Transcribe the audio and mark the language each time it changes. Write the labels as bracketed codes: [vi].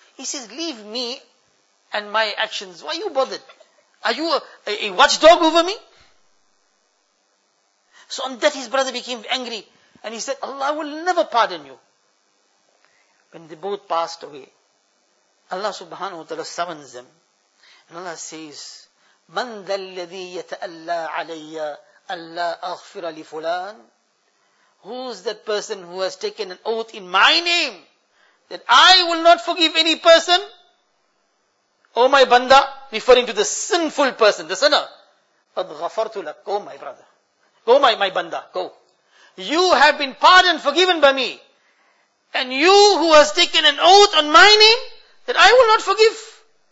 [en] He says, leave me and my actions. Why are you bothered? Are you a watchdog over me? So on that his brother became angry. And he said, Allah will never pardon you. When they both passed away, Allah subhanahu wa ta'ala summons them. And Allah says, [ar] مَنْ ذَا الَّذِي يَتَأَلَّى عَلَيَّ أَلَّا أَغْفِرَ لِفُلَانٍ. [en] Who's that person who has taken an oath in my name that I will not forgive any person? Oh my banda, referring to the sinful person, the sinner. [ar] قَدْ غَفَرْتُ لَكَ. [en] Go my brother. Go my banda, go. You have been pardoned, forgiven by me. And you who has taken an oath on my name that I will not forgive.